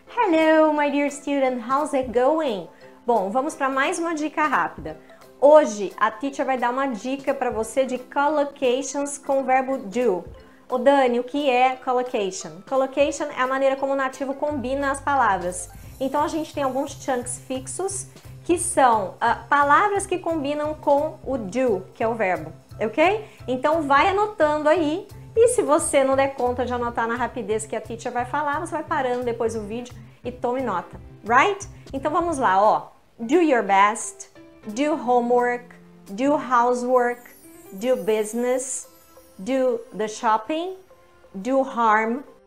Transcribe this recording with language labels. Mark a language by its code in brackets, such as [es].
[en] Hello, my dear student, how's it going? [pt] Bom, vamos para mais uma dica rápida. Hoje a teacher vai dar uma dica para você de collocations com o verbo do. Ô Dani, o que é collocation? Collocation é a maneira como o nativo combina as palavras. Então a gente tem alguns chunks fixos que são palavras que combinam com o do, que é o verbo, ok? Então vai anotando aí. E se você não der conta de anotar na rapidez que a teacher vai falar, você vai parando depois o vídeo e tome nota, right? Então vamos lá, ó. [en] Do your best, do homework, do housework, do business, do the shopping, do harm.